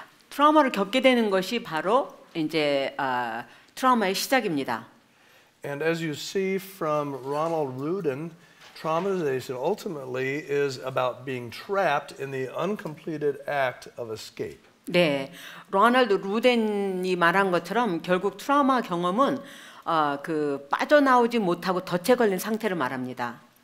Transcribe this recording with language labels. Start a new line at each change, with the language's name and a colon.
Korean: 트라우마를 겪게 되는 것이 바로 이제 트라우마의 시작입니다.
English: And as you see from Ronald Rudin, traumatization ultimately is about being trapped in the uncompleted act of escape.
Korean: 네, 로널드 루덴이 말한 것처럼 결국 트라우마 경험은 그 빠져나오지 못하고 덫에 걸린 상태를 말합니다.